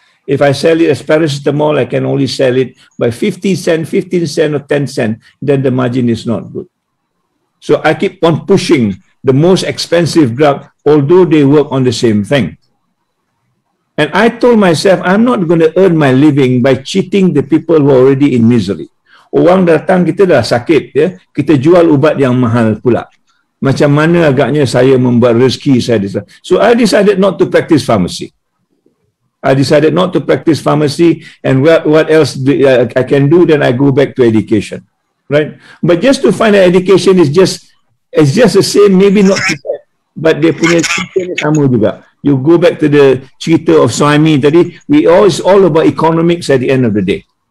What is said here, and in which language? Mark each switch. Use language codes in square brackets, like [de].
[en] If I sell it as paracetamol, I can only sell it by 50 cents, 15 cents, or 10 cents, then the margin is not good. So I keep on pushing the most expensive drug, although they work on the same thing. And I told myself, I'm not going to earn my living by cheating the people who are already in misery. [ms] Orang datang, kita dah sakit, ya. Kita jual ubat yang mahal pula. Macam mana agaknya saya membuat rezeki saya di sana. [en] So I decided not to practice pharmacy. And what else I can do, then I go back to education. Right? But just to find that education is just, it's just the same, maybe not too bad, but [ms] dia punya sama juga. [en] You go back to the [ms] cerita [en] of Swami [ms] tadi, [en] it's all about economics at the end of the day.